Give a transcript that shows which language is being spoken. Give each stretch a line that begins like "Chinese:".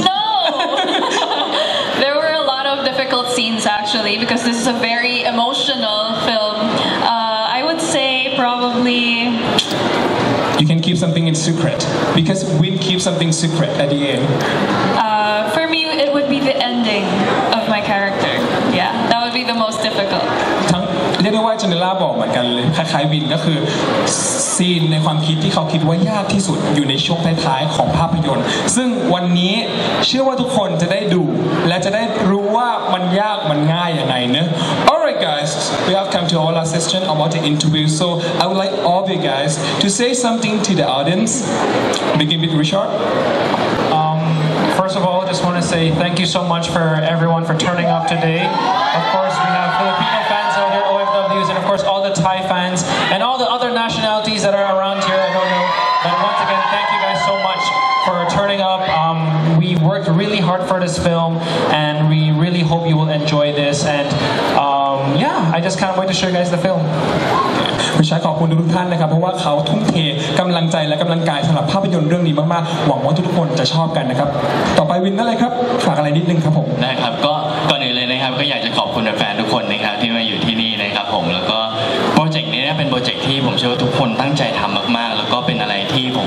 English: no there were a lot of difficult scenes actually because this is a very emotional film I would say probably you can keep something in secret because we keep something secret at the end for me it would be the ending of my character yeah that would be the most difficult
Thai: เรียกได้ว่าจินเนล่าบอกเหมือนกันเลยคล้ายๆวินก็คือซีนในความคิดที่เขาคิดว่ายากที่สุดอยู่ในช่วงท้ายๆของภาพยนตร์ซึ่งวันนี้เชื่อว่าทุกคนจะได้ดูและจะได้รู้ว่ามันยากมันง่ายยังไงเนอะ
English: alright guys we have come to our last session about the interview so I would like all of you guys to say something to the audience begin with Richard first of all just want to say thank you so much for everyone for turning up today of course we have Filipino fans out hereAnd of course, all the Thai fans and all the other nationalities that are around here. I don't know. But once again, thank you guys so much for turning up. We worked really hard for this film, and we really hope you will enjoy this. And yeah, I just can't wait to show you guys the film.
Thai: ไม่ใช่ขอบคุณทุกท่านนะครับเพราะว่าเขาทุ่มเทกำลังใจและกำลังกายสำหรับภาพยนตร์เรื่องนี้มากๆหวังว่าทุกคนจะชอบกันนะครับต่อไปวินอะไรครับฝากอะไรนิดนึงครับผม นะครับก็ก่อนอื่นเลยนะครับก็อยากจะขอบคุณแฟนๆทุกคนนะครับที่มาอยู่ที่นี่นะครับผมแล้วก็โปรเจกต์นี้เป็นโปรเจกต์ที่ผมเชื่อว่าทุกคนตั้งใจทำมากๆแล้วก็เป็นอะไรที่